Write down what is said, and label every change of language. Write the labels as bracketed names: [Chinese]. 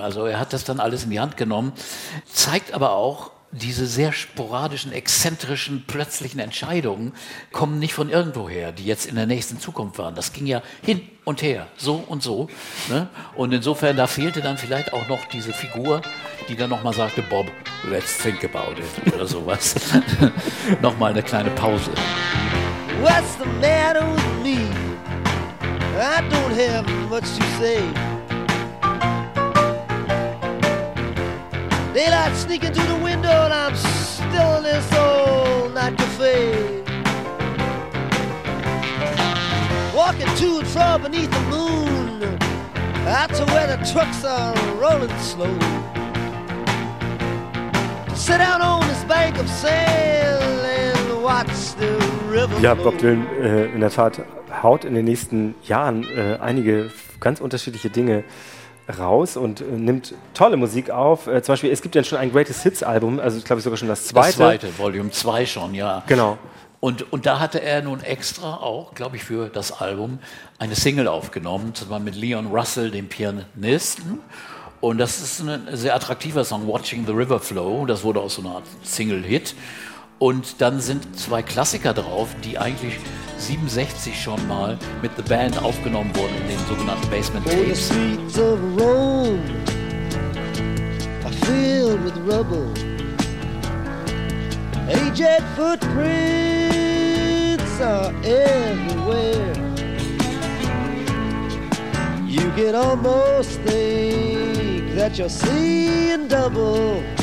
[German] Also er hat das dann alles in die Hand genommen, zeigt aber auch, diese sehr sporadischen, exzentrischen, plötzlichen Entscheidungen kommen nicht von irgendwoher, die jetzt in der nächsten Zukunft waren. Das ging ja hin und her, so und so. Ne? Und insofern, da fehlte dann vielleicht auch noch diese Figur, die dann nochmal sagte, Bob, [English] let's think about it [German] oder sowas. Nochmal eine kleine Pause. [English] What's the matter with me? I don't have much to say. Daylight sneaking through the window and I'm still in this old night cafe. Walking to and fro beneath the moon, out to where the trucks are rolling slow. Sit down on this bank of sand and watch the river flow. [German] Ja, Bob Dylan, in der Tat haut in den nächsten Jahren einige ganz unterschiedliche Dinge raus und nimmt tolle Musik auf. Zum Beispiel, es gibt ja schon ein Greatest Hits Album, also ich glaube sogar schon das zweite. Das zweite, Volume 2 schon, ja. Genau. Und da hatte er nun extra auch, glaube ich, für das Album eine Single aufgenommen, zusammen mit Leon Russell, dem Pianisten. Und das ist ein sehr attraktiver Song, Watching the River Flow. Das wurde auch so eine Art Single-Hit. Und dann sind zwei Klassiker drauf, die eigentlich 67 schon mal mit The Band aufgenommen wurden in den sogenannten Basement Tapes. [English] The streets of Rome are filled with rubble. Aged footprints are everywhere. You can almost think that you're seeing double.